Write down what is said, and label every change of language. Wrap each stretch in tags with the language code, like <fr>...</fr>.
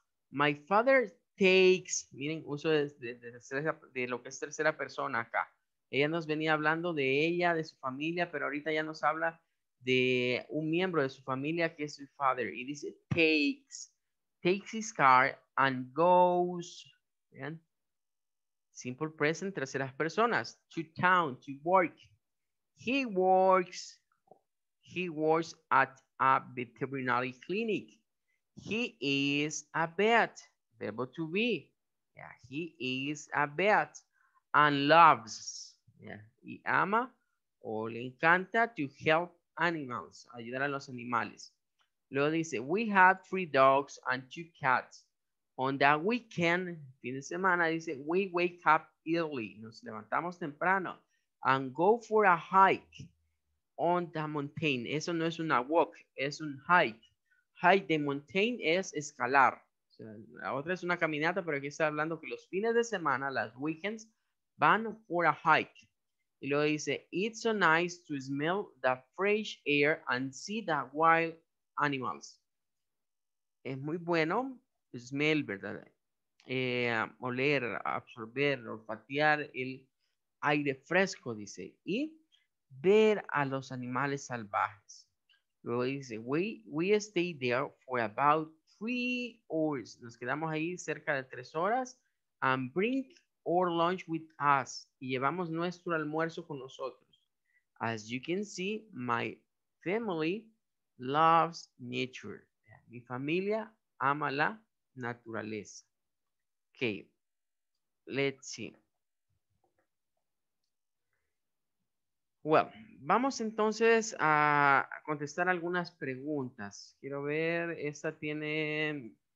<en>My father takes,</en> <es>miren, uso de lo que es tercera persona acá. Ella nos venía hablando de ella, de su familia, pero ahorita ya nos habla de un miembro de su familia que es su father. Y dice,</es> <en>takes his car and goes,</en> <es>¿vean?</es> <en>Simple present,</en> <es>terceras personas,</es> <en>to town, to work. He works at a veterinary clinic. He is a vet, verbo to be. Yeah, he is a vet and loves.</en> <es>Yeah, y ama o le encanta</es> <en>to help animals,</en> <es>ayudar a los animales. Luego dice,</es> <en>we had 3 dogs and 2 cats. On that weekend,</en> <es>fin de semana, dice,</es> <en>we wake up early.</en> <es>Nos levantamos temprano.</es> <en>And go for a hike on the mountain.</en> <es>Eso no es una walk, es un hike.</es> <en>Hike the mountain</en> <es>es escalar. O sea, la otra es una caminata, pero aquí está hablando que los fines de semana, las weekends, van</es> <en>for a hike.</en> <es>Y luego dice,</es> <en>it's so nice to smell the fresh air and see the wild animals.</en> <es>Es muy bueno. Smell, ¿verdad? Oler, absorber, olfatear el aire fresco, dice. Y ver a los animales salvajes. Luego dice,</es> <en>we stay there for about 3 hours.</en> <es>Nos quedamos ahí cerca de 3 horas.</es> <en>And bring our lunch with us.</en> <es>Y llevamos nuestro almuerzo con nosotros.</es> <en>As you can see, my family loves nature.</en> <es>Mi familia ama la naturaleza.</es> <en>Okay, let's see. Well,</en> <es>vamos entonces a contestar algunas preguntas. Quiero ver, esta tiene.</es>